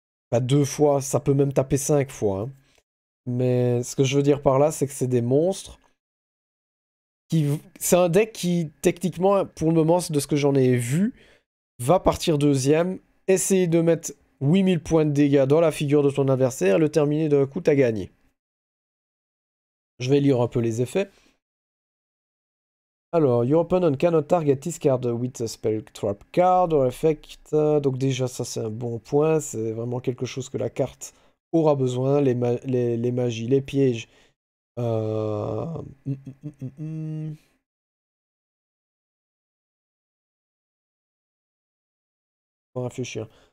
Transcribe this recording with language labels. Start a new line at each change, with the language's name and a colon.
French: Bah deux fois, ça peut même taper cinq fois. Hein. Mais ce que je veux dire par là, c'est que c'est des monstres qui. C'est un deck qui, techniquement, pour le moment, de ce que j'en ai vu, va partir deuxième, essayer de mettre 8000 points de dégâts dans la figure de ton adversaire, et le terminer d'un coup, t'as gagné. Je vais lire un peu les effets.
English: Alors, your opponent cannot target this card with a spell trap card or effect.
French: Donc déjà, ça c'est un bon point. C'est vraiment quelque chose que la carte aura besoin. Les magies, les pièges. Pour réfléchir.